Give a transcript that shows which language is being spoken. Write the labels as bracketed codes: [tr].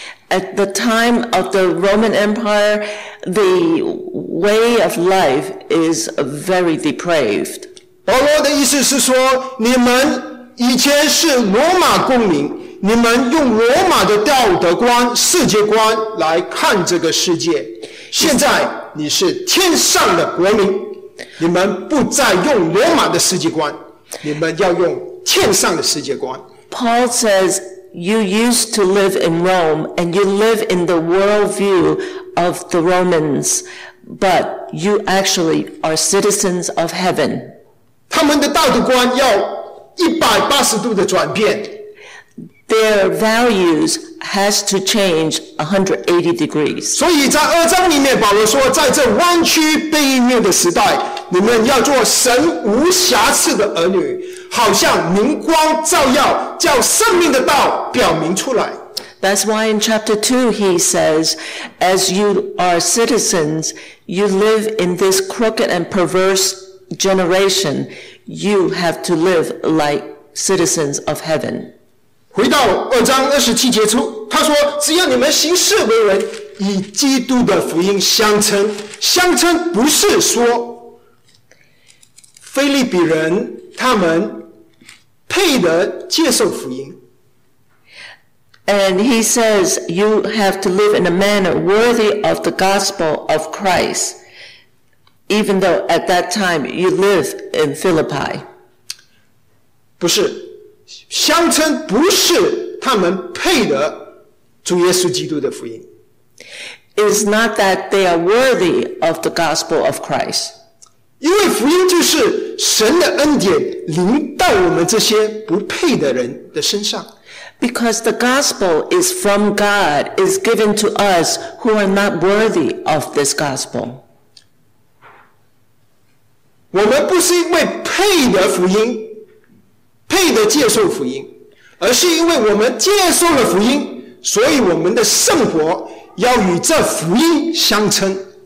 [en] At the time of the Roman Empire, the way of life is very depraved. [zh] 保罗的意思是说，你们以前是罗马公民，你们用罗马的道德观、世界观来看这个世界。现在你是天上的国民，你们不再用罗马的世界观，你们要用天上的世界观。 [en] Paul says, you used to live in Rome, and you live in the worldview of the Romans, but you actually are citizens of heaven. [zh] 他们的道德观要180度的转变。 [en] Their values has to change 180 degrees. [zh] 所以在二章里面，保罗说，在这弯曲背面的时代，你们要做神无瑕疵的儿女，好像明光照耀，叫生命的道表明出来。 [en] That's why in chapter 2 he says, as you are citizens, you live in this crooked and perverse generation, you have to live like citizens of heaven. [zh] 回到二章二十七节处，他说，只要你们行事为人，以基督的福音相称。相称不是说腓立比人他们配得接受福音。 [en] And he says, you have to live in a manner worthy of the gospel of Christ, even though at that time you live in Philippi. [zh] 不是，相称不是他们配得主耶稣基督的福音。 [en] It's not that they are worthy of the gospel of Christ. [zh] 因为福音就是神的恩典临到我们这些不配的人的身上。 [en] Because the gospel is from God, is given to us who are not worthy of this gospel. [zh] 我们不是因为配的福音，配的接受福音，而是因为我们接受了福音，所以我们的生活要与这福音相称。